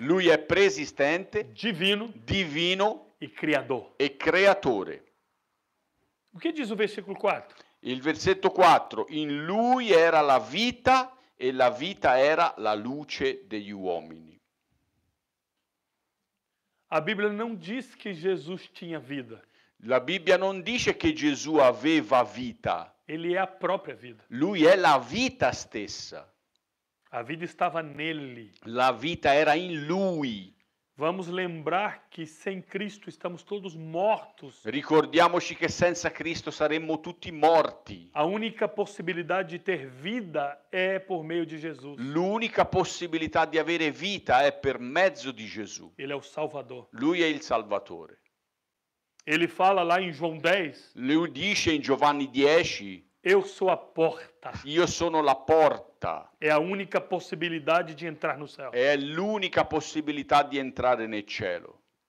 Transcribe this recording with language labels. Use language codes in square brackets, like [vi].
[pt] Lui é preexistente. Divino. [it] Divino. [pt] E criador. [it] E creatore. [pt] O que diz o versículo 4? [it] Il versetto 4. In lui era la vita e la vita era la luce degli uomini. [pt] A Bíblia não diz que Jesus tinha vida. [it] La Bibbia non dice che Gesù aveva vita. [pt] Ele é a própria vida. [it] Lui è la vita stessa. [pt] A vida estava nele. [it] La vita era in lui. [pt] Vamos lembrar que sem Cristo estamos todos mortos. [it] Ricordiamoci che senza Cristo saremmo tutti morti. [pt] A única possibilidade de ter vida é por meio de Jesus. [it] L'unica possibilità di avere vita è per mezzo di Gesù. [pt] Ele é o Salvador. [it] Lui è il Salvatore. [pt] Ele fala lá em João 10. [it] Lui dice in Giovanni 10. [pt] Eu sou a porta. [it] Io sono la porta. [pt] É a única possibilidade de entrar no céu. [it] È l'unica possibilità di entrare nel cielo.